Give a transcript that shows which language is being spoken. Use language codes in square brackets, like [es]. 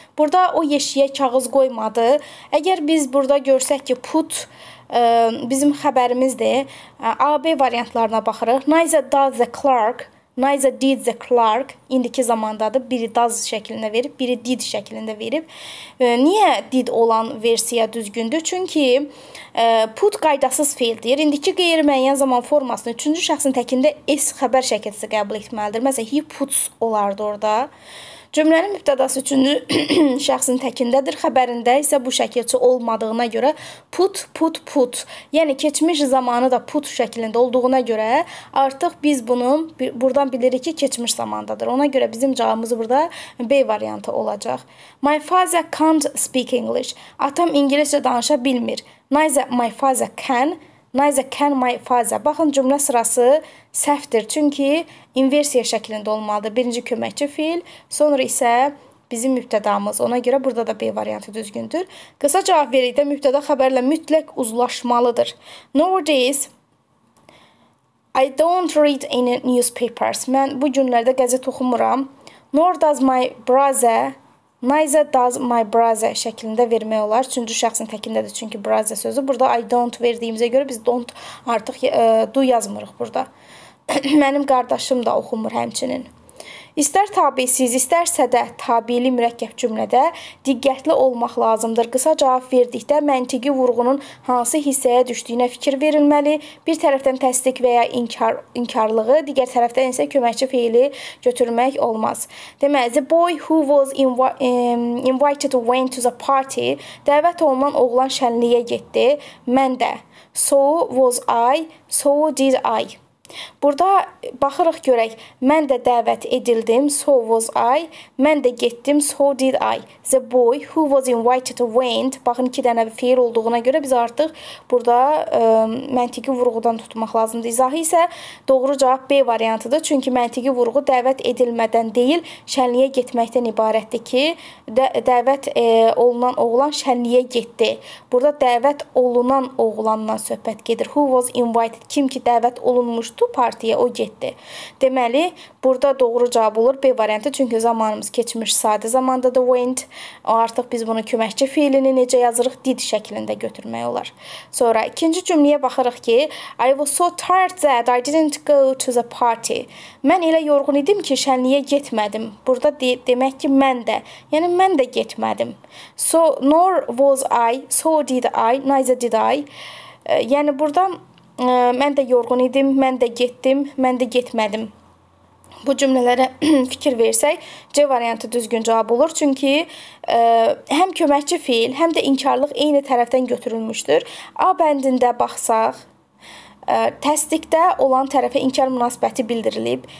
[az] Burada o yeşiyə kağız qoymadı. Əgər biz burada görsək ki, put bizim xəbərimizdir. AB variantlarına baxırıq. [en] Neither does the clerk. Neither did the clerk. [az] İndiki zamandadır. Biri does şəklində verib, biri did şəklində verib. Niyə did olan versiya düzgündür? Çünki put qaydasız feildir. İndiki qeyri-müəyyən zaman formasını üçüncü şəxsin təkində s xəbər şəkilsi qəbul etməlidir. Məsələn, [en] he puts [az] olardı orada. Cümlənin mübtədası üçüncü şəxsin təkindədir, xəbərində isə bu şəkilçi olmadığına görə put, put, put. Yəni, keçmiş zamanı da put şəklində olduğuna görə artıq biz bunu buradan bilirik ki, keçmiş zamandadır. Ona görə bizim cavabımız burada B variantı olacaq. [en] My father can't speak English. [az] Atam ingiliscə danışa bilmir. [en] Neither my father can. Neither can my father. [az] Baxın, cümlə sırası səhvdir. Çünki inversiya şəklində olmalıdır. Birinci köməkçi fiil, sonra isə bizim mübtədamız. Ona görə burada da B variantı düzgündür. Qısa cavab verikdə mübtəda xəbərlə mütləq uzlaşmalıdır. [en] Nowadays, I don't read any newspapers. [az] Mən bu günlərdə qəzet oxumuram. [en] Nor does my brother... Neither does my brother [az] şəklində vermək olar. Üçüncü şəxsin təkindədir, çünki brother sözü. Burada [en] I don't [az] verdiyimizə görə biz don't artıq do yazmırıq burada. Mənim qardaşım da oxumur həmçinin. İstər tabisiz, istərsə də tabili mürəkkəb cümlədə diqqətli olmaq lazımdır. Qısa cavab verdikdə məntiqi vurğunun hansı hissəyə düşdüyünə fikir verilməli. Bir tərəfdən təsdiq və ya inkarlığı, digər tərəfdən isə köməkçi feili götürmək olmaz. Deməli, [en] the boy who was invited went to the party. [az] Dəvət olunan oğlan şənliyə getdi. Mən də. [en] So was I, so did I. [az] Burada baxırıq görək, mən də dəvət edildim, [en] so was I, [az] mən də getdim, [en] so did I. The boy who was invited went. [az] Baxın, iki dənə bir fiil olduğuna görə biz artıq burada məntiqi vurğudan tutmaq lazımdır. İzahı isə doğru cavab B variantıdır. Çünki məntiqi vurğu dəvət edilmədən deyil, şənliyə getməkdən ibarətdir ki, dəvət olunan oğlan şənliyə getdi. Burada dəvət olunan oğlandan söhbət gedir. [en] Who was invited? [az] Kim ki dəvət olunmuşdu partiyə, o getdi. Deməli, burada doğru cavab olur B variantı, çünki zamanımız keçmiş sadə zamanda da went. Artıq biz bunu köməkçi fiilini necə yazırıq? Did şəklində götürmək olar. Sonra ikinci cümləyə baxırıq ki, [en] I was so tired that I didn't go to the party. [az] Mən elə yorğun idim ki, şənliyə getmədim. Burada demək ki, mən də. Yəni, mən də getmədim. [en] So, nor was I, so did I, neither did I. [az] Yəni, burada mən də yorğun idim, mən də getdim, mən də getmədim. Bu cümlələrə fikir versək, C variantı düzgün cavab olur. Çünki həm köməkçi fiil, həm də inkarlıq eyni tərəfdən götürülmüşdür. A bəndində baxsaq, təsdiqdə olan tərəfə inkar münasibəti bildirilib.